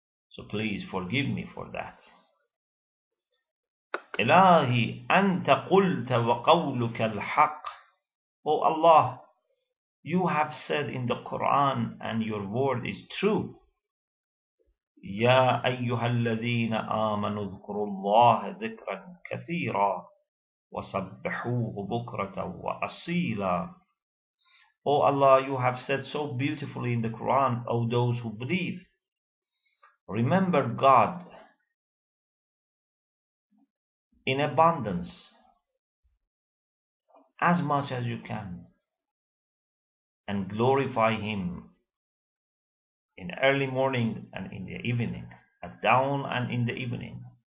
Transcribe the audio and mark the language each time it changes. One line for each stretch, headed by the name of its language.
English: So please forgive me for that.
Arabic: إلهي أنت قلت وقولك الحق.
English: O Allah, you have said in the Quran and your word is true.
Arabic: يا أيها الذين آمنوا اذكروا الله ذكرا كثيرا وسبحوه بكرة وأصيلا.
English: O Allah, you have said so beautifully in the Quran, O those who believe, remember God in abundance as much as you can, and glorify Him in early morning and in the evening, at dawn and in the evening.